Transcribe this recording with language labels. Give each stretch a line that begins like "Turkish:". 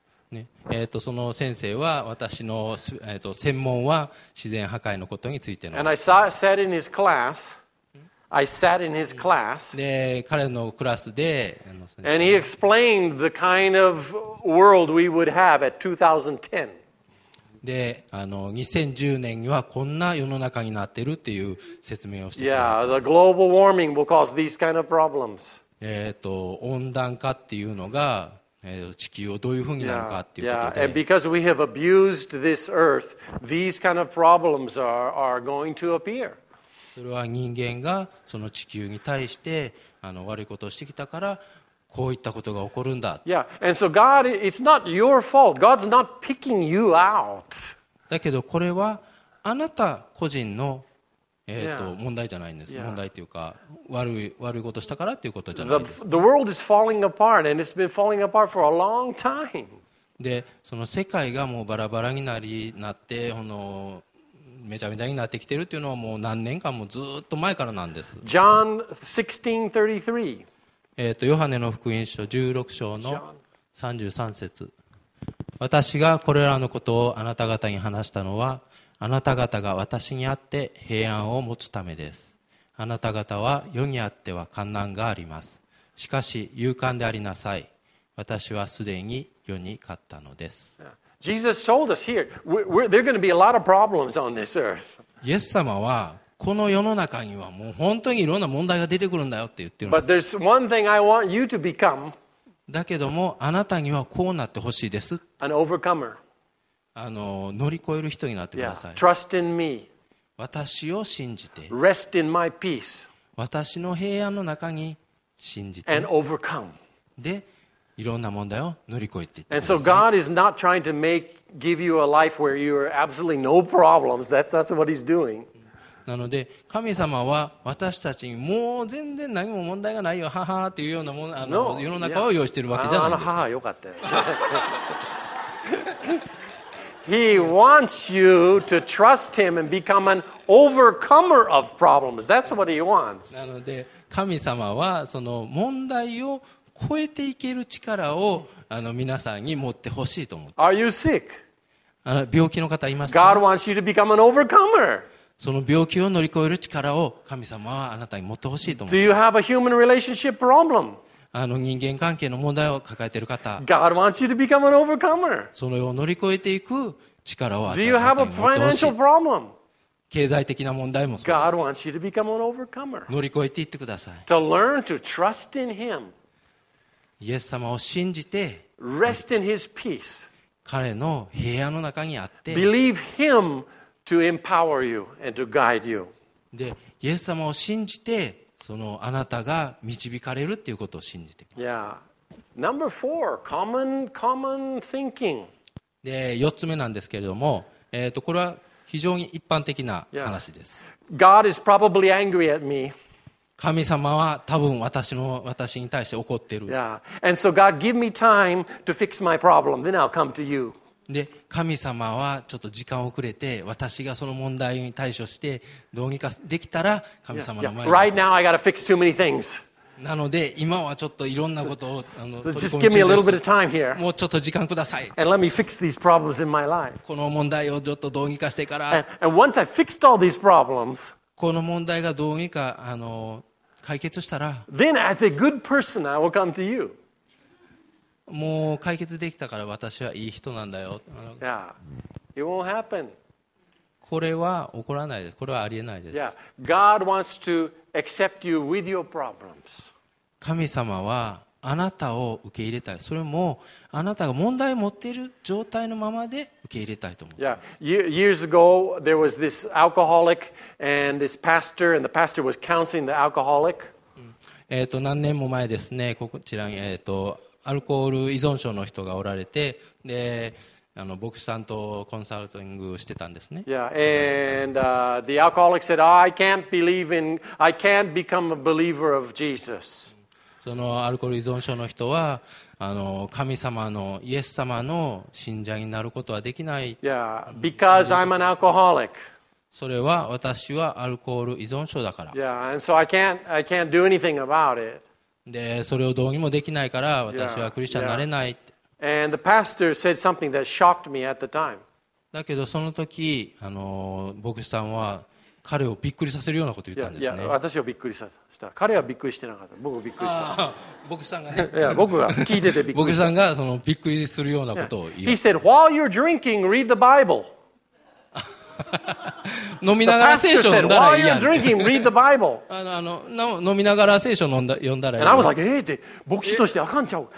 Japanese: ね、その先生は私の、専門は自然破壊のことについての、
English: And I saw, said in his classI sat in his class.
Japanese: で、彼のクラスで、
English: And he explained the kind of world we would have at 2010.
Japanese: で、2010年にはこんな世の中になってるっていう説明をしてた。
English: Yeah, the global warming will cause these kind of problems.
Japanese: 温暖化っていうのが、地球をどういうふうになるかっていうことで。
English: Yeah, and because we have abused this earth, these kind of problems are going to appear.
Japanese: それは人間がその地球に対して悪いことをしてきたからこういったことが起こるんだ。
English: Yeah, and so God, it's not your fault. God's not picking you out.
Japanese: だけどこれはあなた個人の問題じゃないんです。問題というか悪いことをしたからということじゃないです。
English: The world is falling apart and it's been falling apart for a long time.
Japanese: で、その世界がもうバラバラになり、なってこのめちゃめちゃになってきてるっていうのはもう何年間もずっと前からなんです。
English: John 16:33。
Japanese: ヨハネの福音書16章の33節。私がこれらのことをあなた方に話したのは、あなた方が私にあって平安を持つためです。あなた方は世にあっては患難があります。しかし勇敢でありなさい。私はすでに世に勝ったのです。
English: Jesus told us here, there are going to be a lot of problems on this earth.
Japanese: イエス様はこの世の中にはもう本当にいろんな問題が出てくるんだよって言ってるんです。
English: But there's one thing I want you to become.
Japanese: だけどもあなたにはこうなってほしいです。
English: An overcomer.
Japanese: 乗り越える人になってください。
English: Yeah. Trust in me.
Japanese: 私を信じて。
English: Rest in my peace.
Japanese: 私の平安の中に信じて。
English: And overcome.
Japanese: で、いろんな問題を乗り越えていってください
English: And so God is not trying to make give you a life where you are absolutely no problems. That's what he's doing.
Japanese: なので神様は私たちにもう全然何も問題がないよ、ハハっていうようなもの、
English: no.
Japanese: 世の中を用意しているわけじゃないんです。ハハ、よかった。
English: He wants you to trust him and become an overcomer of problems. That's what he wants.
Japanese: なので神様はその問題を超えていける力を皆さんに持ってほしいと思って。
English: Are you sick?
Japanese: 病気の方いますか?
English: God wants you to become an overcomer.
Japanese: その病気を乗り越える力を神様はあなたに持ってほしいと思って。
English: Do you have a human relationship problem?
Japanese: あの人間関係の問題を抱えている方、
English: God wants you to become an overcomer.
Japanese: そのように乗り越えていく力を与えているどうし。
English: Do you have a financial problem?
Japanese: 経済的な問題もそうです。
English: God wants you to become an overcomer.
Japanese: 乗り越えていってください。
English: To learn to trust in Him.
Japanese: イエス様を信じて、
English: Rest in His peace.
Japanese: 彼の平安の中にあって、
English: Believe Him to empower you and to guide you.
Japanese: で、イエス様を信じて、そのあなたが導かれるっていうことを信じて。
English: Yeah. Number four, common thinking.
Japanese: で、四つ目なんですけれども、これは非常に一般的な話です。
English: Yeah. God is probably angry at me.
Japanese: 神様は多分私に対して怒ってる。
English: Yeah. And so God, give me time to fix my problem. Then I'll come to you.
Japanese: で神様はちょっと時間をくれて私がその問題に対処してどうにかできたら神様の前に
English: Right now I gotta fix too many things.
Japanese: なので今はちょっといろんなことを取り込み中です。
English: Just give me a little bit of time here.
Japanese: もうちょっと時間ください。
English: And let me fix these problems in my life.
Japanese: この問題をちょっとどうにかしてから
English: And once I fixed all these problems,
Japanese: この問題がどうにか解決したら
English: Then as a good person I will come to you.
Japanese: もう解決できたから私はいい人なんだよ。
English: Yeah. It won't happen.
Japanese: これは起こらないです。これはありえないです。
English: Yeah. God wants to accept you with your problems.
Japanese: 神様はあなたを受け入れたい。それもあなたが問題を持っている状態のままで受け入れたいと思います。
English: Yeah. Years ago, there was this alcoholic and this pastor, and the pastor was counseling the alcoholic.
Japanese: 何年も前ですね。こちらにアルコール依存症の人がおられて、で、牧師さんとコンサルティングしてたんですね。
English: Yeah, and the alcoholic said, oh, I can't become a believer of Jesus.
Japanese: そのアルコール依存症の人は、神様の、イエス様の信者になることはできない。
English: Yeah, because I'm an alcoholic.
Japanese: それは私はアルコール依存症だから。
English: Yeah, and so I can't do anything about it.
Japanese: でそれをどうにもできないから私はクリスチャンになれない。
English: Yeah, yeah. And the pastor said something that shocked me at the time.
Japanese: だけどその時牧師さんは彼をびっくりさせるようなことを言ったんですね。いや、私はびっくりさせた。彼はびっくりしてなかった。僕はびっくりした。牧師さんがね。いや、僕が聞いててびっくりした。牧師さんがそのびっくりするようなことを言う。
English: He said, while you're drinking, read the Bible.
Japanese: 飲みながら聖書を読んだらいいやん。
English: While you're drinking, read the Bible.
Japanese: 飲みながら聖書を読んだらいいやん。
English: And I was like, hey,
Japanese: 牧師としてあかんちゃう。